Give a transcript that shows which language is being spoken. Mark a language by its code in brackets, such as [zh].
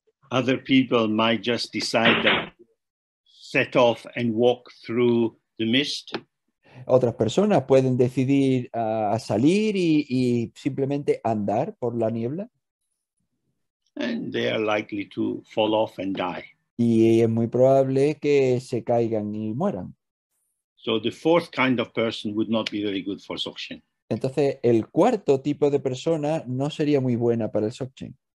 [en] Other people might just decide to set off and walk through the mist. [es] Otras personas pueden decidir a salir y simplemente andar por la niebla. [en] And they are likely to fall off and die. [es] Y es muy probable que se caigan y mueran. [en] So the fourth kind of person would not be very good for Dzogchen. [es] Entonces, el cuarto tipo de persona no sería muy buena para el Dzogchen.